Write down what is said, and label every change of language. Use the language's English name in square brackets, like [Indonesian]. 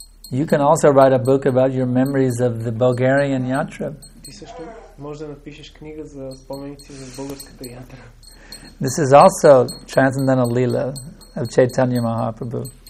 [English] You can also write a book about your memories of the Bulgarian Yatra. [Bulgarian] Ти също може да напишеш книга за спомените за българската Yatra. [English] This is also transcendental lila of Chaitanya Mahaprabhu.